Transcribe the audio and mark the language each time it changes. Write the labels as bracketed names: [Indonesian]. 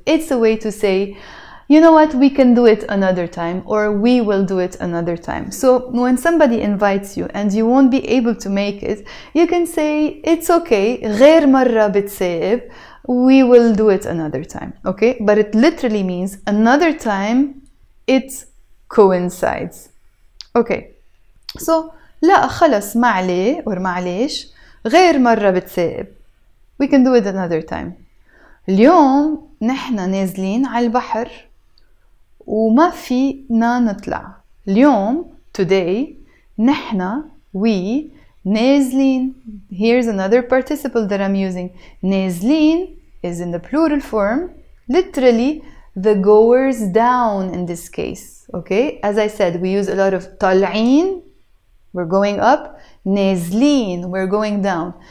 [English] It's a way to say, you know what, we can do it another time, or we will do it another time. So when somebody invites you and you won't be able to make it, you can say, it's okay, [Arabic] غير مرة بتسيب. [English] We will do it another time, okay? But it literally means another time, it coincides. Okay, so [Arabic] لا خلص ما عليه or ما عليش غير مرة بتسيب. [English] We can do it another time. [Arabic] اليوم نحن نازلين على البحر وما فينا نطلع. اليوم, today, نحن, we, نازلين. [English] Here's another participle that I'm using. نازلين is in the plural form, literally the goers down in this case. Okay, as I said, we use a lot of طالعين, we're going up, نازلين, we're going down.